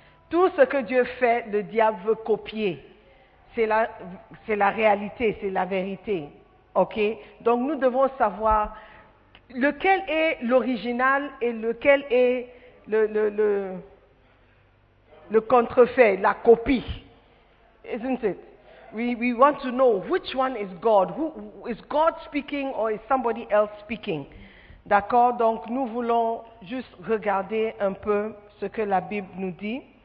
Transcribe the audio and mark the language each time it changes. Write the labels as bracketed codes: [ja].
[fr] Tout ce que Dieu fait, le diable veut copier. C'est la réalité, c'est la vérité. Ok? Donc nous devons savoir lequel est l'original et lequel est le contrefait, la copie. [en] Isn't it? We want to know which one is God. Who is God speaking or is somebody else speaking? [fr] D'accord? Donc nous voulons juste regarder un peu ce que la Bible nous dit.